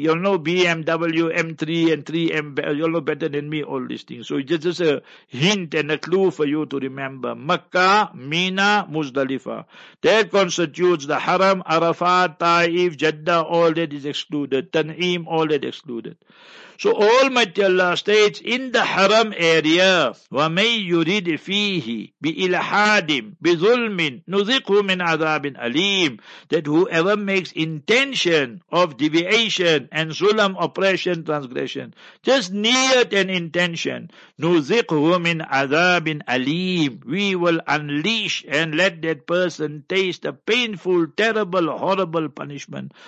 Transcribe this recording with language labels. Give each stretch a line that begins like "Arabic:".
English: You'll know BMW, M3 and 3M. You'll know better than me all these things. So this is a hint and a clue for you to remember. Makkah, Mina, Muzdalifah. That constitutes the haram. Arafat, Taif, Jeddah, all that is excluded. Tan'im, all that excluded. So Almighty Allah states, in the haram area,
Arabic: وَمَنْ يُرِدْ فِيهِ بِإِلْحَادٍ بِظُلْمٍ نُذِقْهُ مِنْ عَذَابٍ أَلِيمٍ.
English: That whoever makes intention of deviation and zulam, oppression, transgression, just near an intention,
Arabic: نُذِقْهُ مِنْ عَذَابٍ أَلِيمٍ,
English: we will unleash and let that person taste a painful, terrible, horrible punishment.